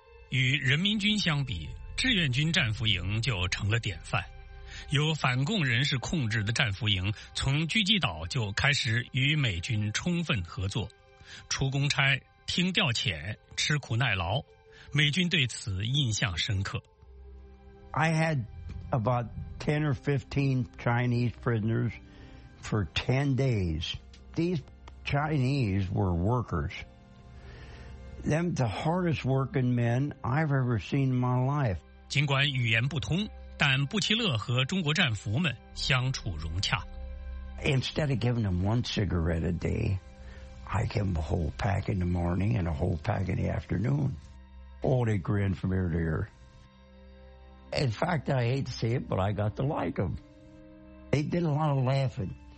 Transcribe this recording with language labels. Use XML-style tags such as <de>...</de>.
<zh>与人民军相比，志愿军战俘营就成了典范。由反共人士控制的战俘营从聚集岛就开始与美军充分合作，出公差、听调遣、吃苦耐劳，美军对此印象深刻。</zh> <en>I had about 10 or 15 Chinese prisoners for 10 days. These Chinese were workers. Them the hardest working men I've ever seen in my life.</en> <zh>尽管语言不通，但布奇勒和中国战俘们相处融洽。</zh> <en>Instead of giving them one cigarette a day, I give them a whole pack in the morning and a whole pack in the afternoon. Oh, they grin from ear to ear. In fact, I hate to say it, but I got to like them. They did a lot of laughing.</en>